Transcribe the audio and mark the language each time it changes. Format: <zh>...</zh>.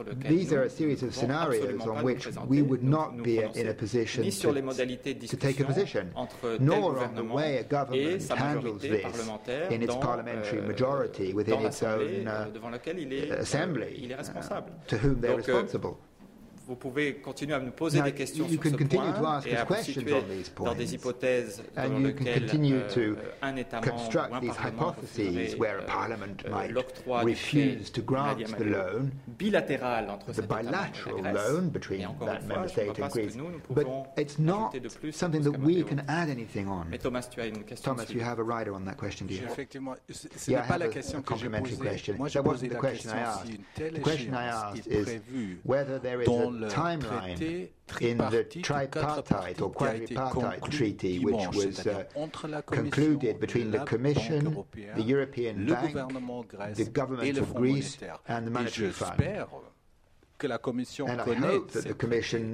<en>these are a series of scenarios on which we would not be in a position to take a position, nor on the way a government handles this in its parliamentary majority within its own assembly, to whom they're responsible.</en> <fr>Vous pouvez continuer à nous poser des questions sur ce point et à situer dans des hypothèses dans lesquelles un État membre ou un Parlement refuserait l'octroi du prêt bilatéral entre cet État membre et la Grèce. Et encore une fois, je ne crois pas ce que nous pouvons ajouter de plus. Mais Thomas, tu as une question. Thomas, tu as un rider sur cette question. Ce n'est pas la question que j'ai posée. Moi, j'ai posé la question si une telle échéance est prévue dans</fr> <en>timeline in the tripartite or quadripartite treaty which was concluded between the Commission, the European Bank, the government of Greece and the Monetary Fund.</en> <fr>Que la Commission</fr> <en>and I hope that the Commission</en>